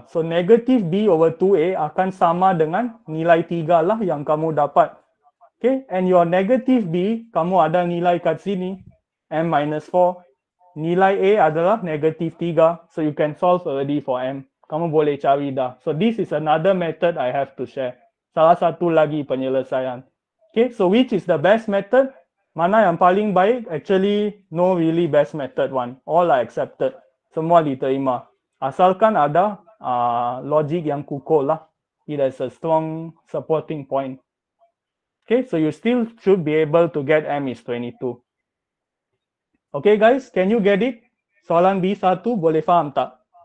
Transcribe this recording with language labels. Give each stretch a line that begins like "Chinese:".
English: So, negative B over 2A
Malay: akan sama dengan nilai 3 lah yang kamu dapat. Okay,
English: and your negative B,
Malay: kamu ada nilai kat sini, M minus 4. Nilai A adalah negative 3.
English: So, you can solve already for M.
Malay: Kamu boleh cari dah.
English: So, this is another method I have to share.
Malay: Salah satu lagi penyelesaian.
English: Okay, so which is the best method?
Malay: Mana yang paling baik?
English: Actually, no really best method one. All are accepted.
Malay: Semua diterima. Asalkan ada logic yang kukuh lah.
English: It has a strong supporting point. Okay, so you still should be able to get M is 22. Okay guys, can you get it?
Malay: Soalan B1 boleh faham tak?